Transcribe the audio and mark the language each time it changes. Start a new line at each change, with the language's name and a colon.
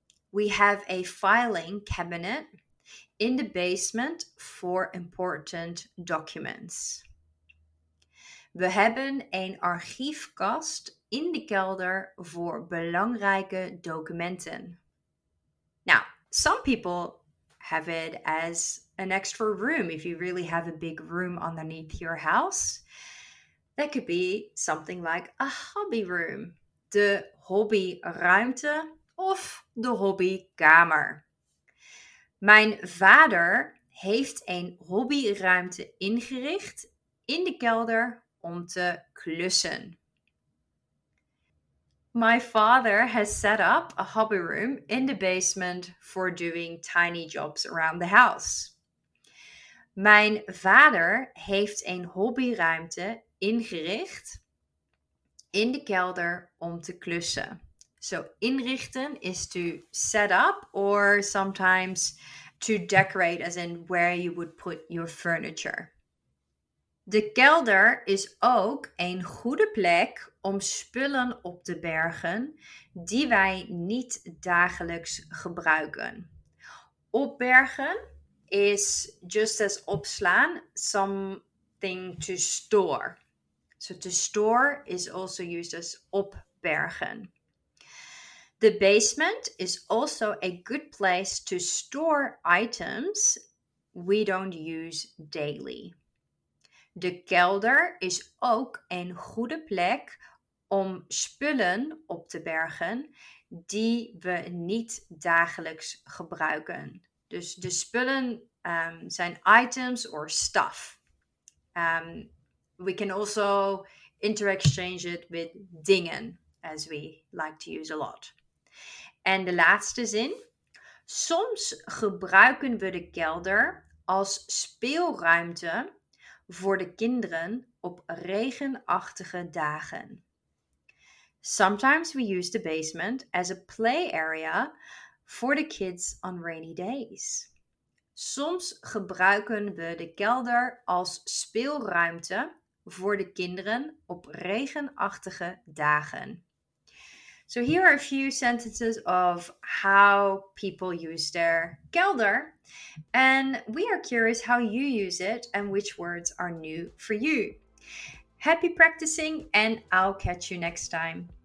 English: We have a filing cabinet in the basement for important documents.
Dutch: We hebben een archiefkast in de kelder voor belangrijke documenten.
English: Now, some people have it as an extra room. If you really have a big room underneath your house, that could be something like a hobby room,
Dutch: de hobbyruimte of de hobbykamer. Mijn vader heeft een hobbyruimte ingericht in de kelder om te klussen.
English: My father has set up a hobby room in the basement for doing tiny jobs around the house.
Dutch: Mijn vader heeft een hobbyruimte ingericht in de kelder om te klussen.
English: So inrichten is to set up or sometimes to decorate, as in where you would put your furniture.
Dutch: De kelder is ook een goede plek om spullen op te bergen die wij niet dagelijks gebruiken.
English: Opbergen is just as opslaan, something to store. So to store is also used as opbergen. The basement is also a good place to store items we don't use daily.
Dutch: De kelder is ook een goede plek om spullen op te bergen die we niet dagelijks gebruiken. Dus de spullen zijn
English: items or stuff. We can also interexchange it with dingen, as we like to use a lot.
Dutch: En de laatste zin. Soms gebruiken we de kelder als speelruimte voor de kinderen op regenachtige dagen.
English: Sometimes we use the basement as a play area for the kids on rainy days.
Dutch: Soms gebruiken we de kelder als speelruimte voor de kinderen op regenachtige dagen.
English: So here are a few sentences of how people use their kelder. And we are curious how you use it and which words are new for you. Happy practicing and I'll catch you next time.